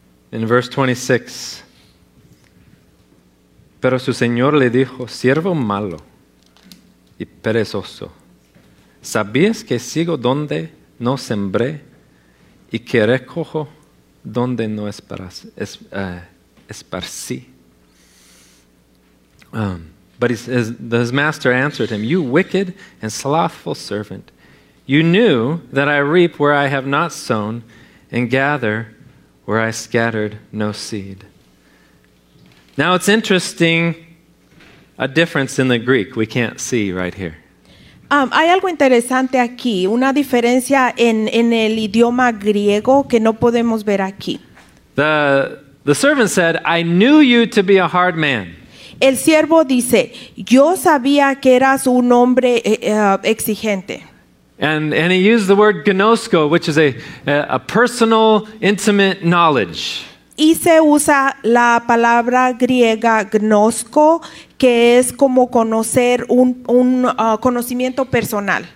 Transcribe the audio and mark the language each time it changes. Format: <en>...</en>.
<es>En verse 26, pero su señor le dijo, siervo malo y perezoso, ¿sabías que sigo donde no sembré y que recojo donde no esparcí?</es> <en>But his master answered him, you wicked and slothful servant, you knew that I reap where I have not sown and gather where I scattered no seed. Now it's interesting, a difference in the Greek we can't see right here.</en> <es>Hay algo interesante aquí, una diferencia en el idioma griego que no podemos ver aquí.</es> <en>The servant said, I knew you to be a hard man.</en> <es>El siervo dice, yo sabía que eras un hombre exigente.</es> <en>And he used the word gnosko, which is a personal, intimate knowledge.</en> <es>Y se usa la palabra griega gnosko, que es como conocer un conocimiento personal.</es>